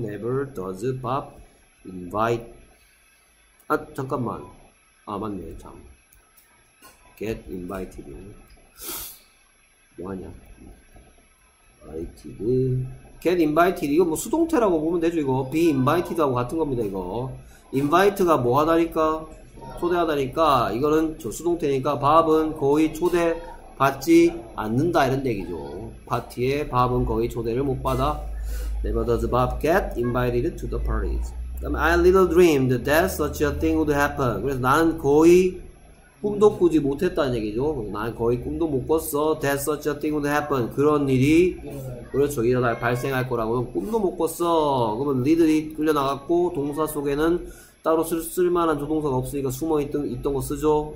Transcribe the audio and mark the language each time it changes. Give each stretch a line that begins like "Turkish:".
English: Never does Bob invite
Korean: 아 잠깐만 아 맞네 참
English: get invited
Korean: 뭐하냐
English: invited get invited
Korean: 이거 뭐 수동태라고 보면 되죠. 이거 be invited하고 같은 겁니다. 이거 invite가 뭐 하다니까 초대하다니까 이거는 저 수동태니까 밥은 거의 초대받지 않는다 이런 얘기죠. 파티에 밥은 거의 초대를 못 받아.
English: Never does Bob get invited to the parties. I little dreamed that such a thing would happen.
Korean: 그래서 나는 거의 꿈도 꾸지 못했다는 얘기죠. 난 거의 꿈도 못 꿨어.
English: That's such a thing would happen.
Korean: 그런 일이 그렇죠. 일어날 발생할 거라고. 꿈도 못 꿨어. 그러면 리들이 끌려나갔고 동사 속에는 따로 쓸만한 조동사가 없으니까 숨어있던 거 쓰죠.